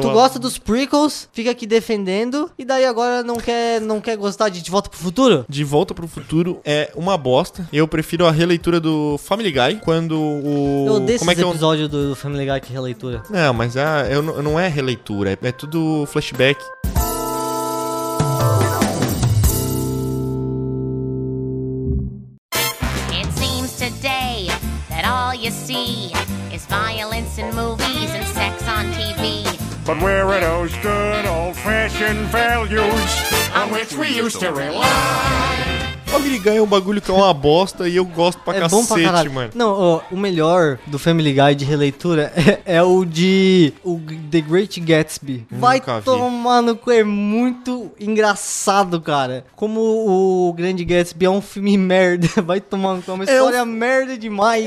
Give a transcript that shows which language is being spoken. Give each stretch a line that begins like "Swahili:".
Portuguese: tu gosta dos prequels, fica aqui defendendo, e daí agora não quer gostar de Volta pro Futuro? De Volta pro Futuro é uma bosta. Eu prefiro a releitura do Family Guy, quando o Eu odeio como esses é episódios do Family Guy que releitura. Não, mas não é releitura, é tudo flashback.
English: It seems today that all you see is violence in movies and sex on TV. But where are those good old-fashioned values on which we used to rely?
Portuguese: Family Guy é um bagulho que é uma bosta e eu gosto pra cacete, bom pra caralho, mano. Não, o melhor do Family Guy de releitura é o de o The Great Gatsby. Vai tomar no cu, é muito engraçado, cara. Como o Grande Gatsby é um filme merda, vai tomar no cu, é uma história merda demais.